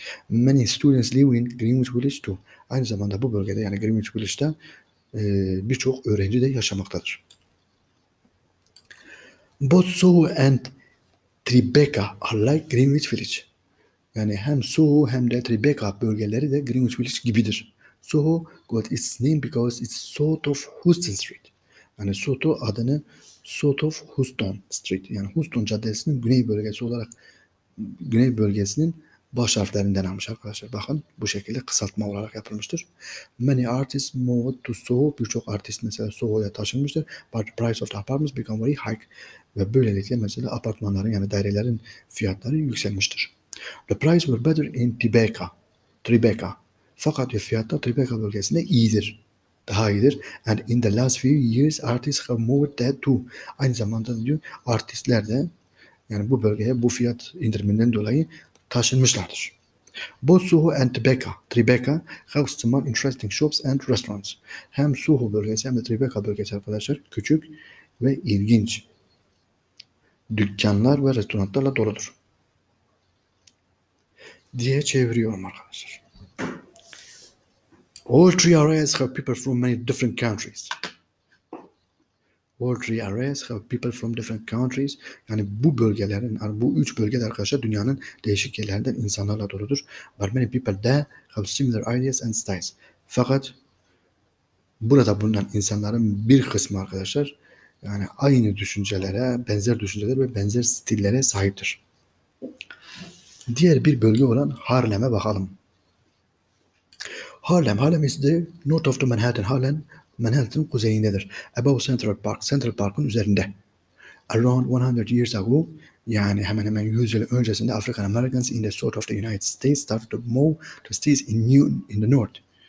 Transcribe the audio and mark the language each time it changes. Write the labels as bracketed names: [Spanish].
[English] Many students live in Greenwich Village too. [Turkish] Aynı zamanda bu bölgede yani Greenwich Village'da birçok öğrenci de yaşamaktadır. [English] Both Soho and Tribeca are like Greenwich Village. [Turkish] Yani hem Soho hem de Tribeca bölgeleri de Greenwich Village gibidir. [English] Soho got its name because it's south of Houston Street. [Turkish] Yani Soho adını [English] south of Houston Street. [Turkish] Yani Houston Caddesi'nin güney bölgesi olarak güney bölgesinin baş harflerinden almış arkadaşlar. Bakın bu şekilde kısaltma olarak yapılmıştır. [English] Many artists moved to Soho. [Turkish] Birçok artist mesela Soho'ya taşınmıştır. [English] But the price of the apartments became very high. [Turkish] Ve böylelikle mesela apartmanların yani dairelerin fiyatları yükselmiştir. [English] The price were better in Tribeca. [Turkish] Fakat fiyatlar Tribeca bölgesinde iyidir. Daha iyidir. [English] And in the last few years artists have moved there too. [Turkish] Aynı zamanda diyor artistler de yani bu bölgeye bu fiyat indiriminden dolayı taşınmışlardır. [English] Both Soho and Tribeca have some interesting shops and restaurants. [Turkish] Hem Soho bölgesi hem de Tribeca bölgesi arkadaşlar küçük ve ilginç dükkanlar ve restoranlarla doludur diye çeviriyorum arkadaşlar. [English] All three areas have people from many different countries. All three areas have people from different countries. [Turkish] Yani bu bölgelerin, bu üç bölgede arkadaşlar dünyanın değişik yerlerinden insanlarla doludur. [English] But many people there have similar ideas and styles. [Turkish] Fakat burada bulunan insanların bir kısmı arkadaşlar yani aynı düşüncelere, benzer düşüncelere ve benzer stillere sahiptir. Diğer bir bölge olan Harlem'e bakalım. [English] Harlem is the north of the Manhattan. [Turkish] Harlem, Manhattan'ın kuzeyindedir. [English] Above Central Park, [Turkish] Central Park'ın üzerinde. [English] Around 100 years ago, [Turkish] Yani hemen hemen 100 yıl öncesinde [English] African Americans in the south of the United States started to move to cities in the north.